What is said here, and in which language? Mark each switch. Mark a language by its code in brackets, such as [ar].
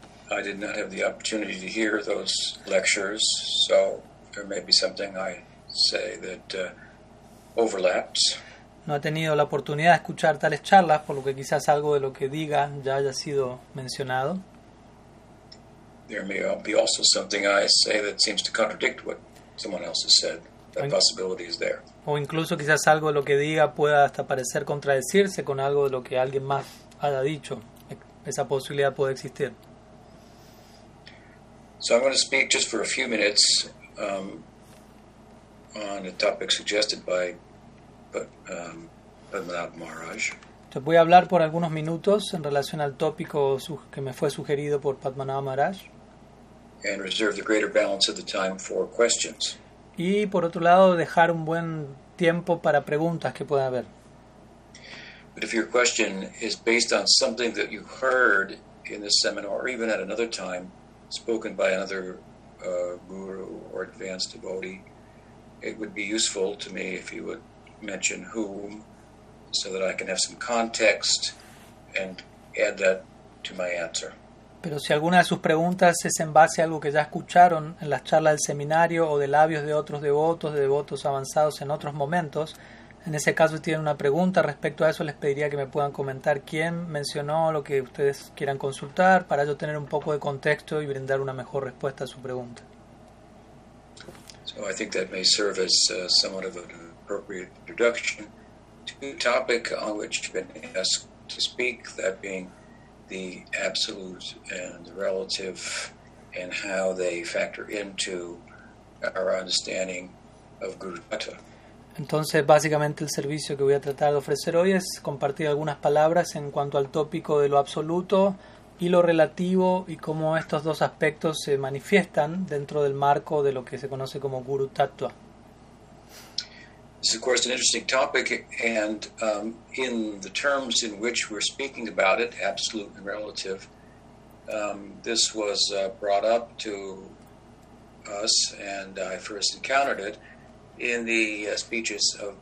[en] I did not have the opportunity to hear those lectures, so there may be something I say that overlaps. [es] No he tenido la oportunidad de escuchar tales charlas, por lo que quizás algo de lo que diga ya haya sido mencionado. [en] There may be also something I say that seems to contradict what someone else has said. That possibility is there. [es] O incluso quizás algo de lo que diga pueda hasta parecer contradecirse con algo de lo que alguien más haya dicho. Esa posibilidad puede existir. [en] So I'm going to speak just for a few minutes on a topic suggested by Padmanabh Maharaj. [es] Te voy a hablar por algunos minutos en relación al tópico que me fue sugerido por Padmanabh Maharaj. [en] And reserve the greater balance of the time for questions. [es] Y por otro lado, dejar un buen tiempo para preguntas que pueda haber. [en] But if your question is based on something that you heard in this seminar, or even at another time, spoken by another guru or advanced devotee, it would be useful to me if you would mention whom, so that I can have some context and add that to my answer. [es] Pero si alguna de sus preguntas es en base a algo que ya escucharon en las charlas del seminario o de labios de otros devotos, de devotos avanzados en otros momentos, en ese caso si tienen una pregunta respecto a eso, les pediría que me puedan comentar quién mencionó lo que ustedes quieran consultar para yo tener un poco de contexto y brindar una mejor respuesta a su pregunta. [en] So I think that may serve as somewhat of an appropriate introduction to the topic on which you've been asked to speak, that being the absolute and the relative and how they factor into our understanding of Guru Tattva. [es] Entonces, básicamente el servicio que voy a tratar de ofrecer hoy es compartir algunas palabras en cuanto al tópico de lo absoluto y lo relativo y cómo estos dos aspectos se manifiestan dentro del marco de lo que se conoce como Guru Tattva. [en] This is, of course, an interesting topic, and in the terms in which we're speaking about it, absolute and relative, this was brought up to us, and I first encountered it in the speeches of